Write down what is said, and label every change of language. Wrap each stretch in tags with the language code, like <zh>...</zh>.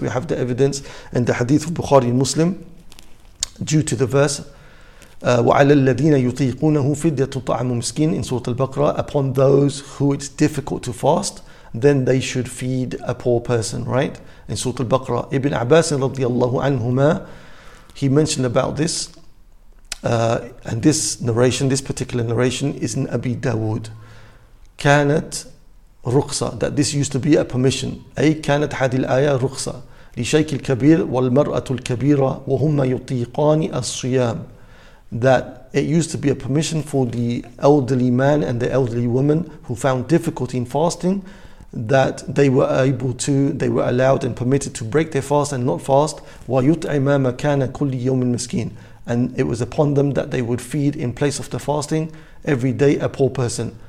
<en>We have the evidence in the hadith of Bukhari and Muslim, due to the verse,</en> <ar>وَعَلَى الَّذِينَ يُطِيقُونَهُ فِدْيَةُ طَعَمُ مِسْكِينَ,</ar> <en>in Surah Al-Baqarah, upon those who it's difficult to fast, then they should feed a poor person, right? In Surah Al-Baqarah, Ibn Abbas radiallahu anhuma, he mentioned about this, and this narration, this particular narration, is in Abi Dawood.</en> <ar>كانت رخصة,</ar> <en>that this used to be a permission.</en> <ar>أي كانت هذه الآية رخصة لشيك الكبير والمرأة الكبيرة وهم يطيقان الصيام.</ar> <en>That it used to be a permission for the elderly man and the elderly woman who found difficulty in fasting, that they were allowed and permitted to break their fast and not fast.</en> <ar>وَيُطْعِمَا مَكَانَ كُلِّ يَوْمٍ مِسْكِينَ.</ar> <en>And it was upon them that they would feed in place of the fasting every day a poor person.</en>